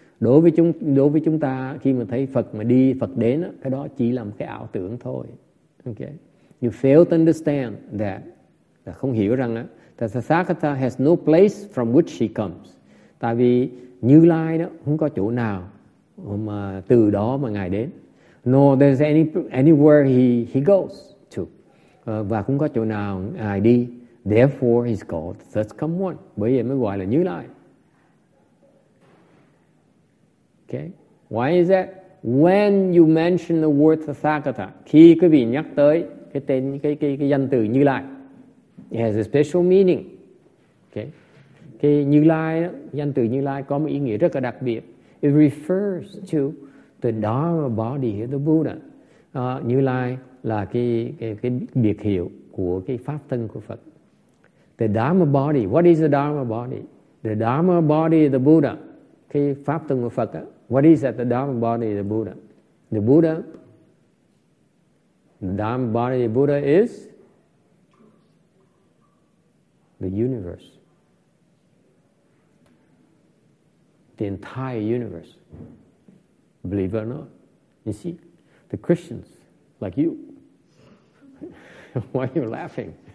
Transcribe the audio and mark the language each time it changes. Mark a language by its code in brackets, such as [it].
[vi] Đối với chúng ta, khi mà thấy Phật mà đi, Phật đến, cái đó chỉ là một cái ảo tưởng thôi. [en] Okay. You fail to understand that. [vi] Là không hiểu rằng [en] that Tathagata has no place from which she comes. [vi] Tại vì Như Lai đó không có chỗ nào mà từ đó mà Ngài đến. [en] Nor there's anywhere he goes to. [vi] Và không có chỗ nào Ngài đi. [en] Therefore, he's called the third come one. [vi] Bởi vậy mới gọi là Như Lai. [en] Okay. Why is that? When you mention the word Tathagata, [vi] khi quý vị nhắc tới cái tên, cái danh từ Như Lai, [en] it has a special meaning. Okay. [vi] Cái Như Lai, danh từ Như Lai có một ý nghĩa rất là đặc biệt. [en] It refers to the Dharma body of the Buddha. [vi] Như Lai là cái biệt hiệu của cái pháp thân của Phật. [en] The Dharma body, what is the Dharma body? The Dharma body of the Buddha, [vi] cái pháp thân của Phật, [en] what is that, the Dharma body of the Buddha? The Buddha, the Dharma body of the Buddha is the universe. The entire universe, believe it or not. You see, the Christians, like you, why are you laughing?